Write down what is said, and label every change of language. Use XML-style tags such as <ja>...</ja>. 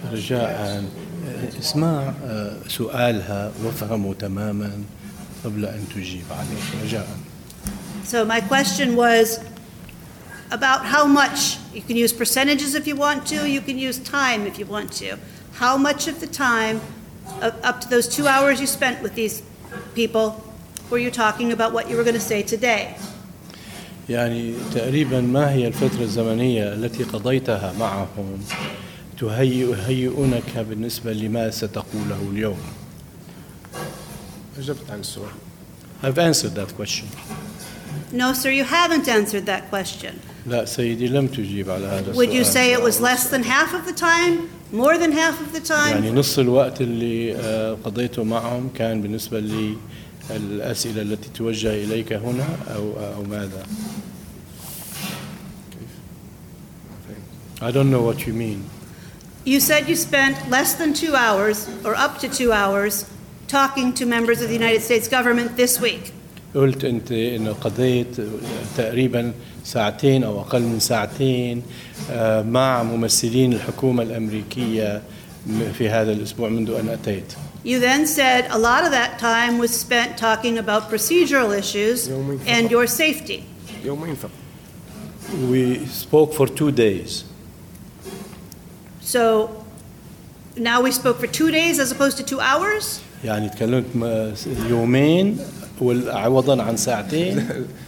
<ar>رجاءً اسمع سؤالها وافهمه تماماً قبل أن تجيب عليه. رجاءً.</ar> <en>So my question was about how much, you can use percentages if you want to, you can use time if you want to. How much of the time, up to those 2 hours you spent with these people, were you talking about what you were going to say today?</en> <ar>يعني تقريبا ما هي الفترة الزمنية التي قضيتها معهم تهيئونك بالنسبة لما ستقوله اليوم؟ أجبت عن السؤال.</ar> <en>I've answered that question. No, sir, you haven't answered that question.</en> <ar>لا سيدي لم تجيب على هذا السؤال.</ar> <en>Would you say it was less than half of the time? More than half of the time?</en> <ar>يعني نص الوقت اللي قضيته معهم كان بالنسبة لي الأسئلة التي توجه إليك هنا أو ماذا؟</ar> <en>I don't know what you mean. You said you spent less than 2 hours or up to 2 hours talking to members of the United States government this week.</en> <ar>قلت أنت إنه قضيت تقريبا ساعتين أو أقل من ساعتين مع ممثلين الحكومة الأمريكية في هذا الأسبوع منذ أن أتيت.</ar> <en>You then said a lot of that time was spent talking about procedural issues and your safety. We spoke for 2 days. So now we spoke for 2 days as opposed to 2 hours?</en> <ar>يعني تكلمت يومين وعوضا عن ساعتين</ar>